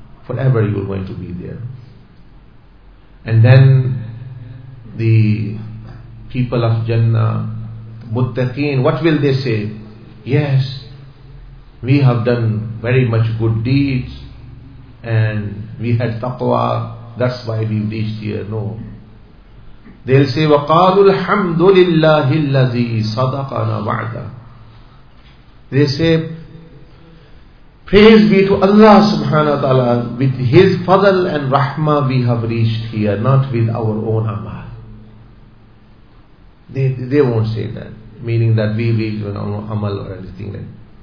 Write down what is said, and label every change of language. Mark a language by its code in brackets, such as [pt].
[en] Forever you are going to be there. And then the people of Jannah, muttaqeen, what will they say? Yes, we have done very much good deeds and we had taqwa, that's why we reached here. No. [ar] They'll say, وَقَالُوا الْحَمْدُ لِلَّهِ الَّذِي صَدَقَنَا وَعْدَهُ. [en] They say, praise be to Allah subhanahu wa ta'ala, with His fadl and rahmah we have reached here, not with our own amal. They won't say that, meaning that we reached with our amal or anything.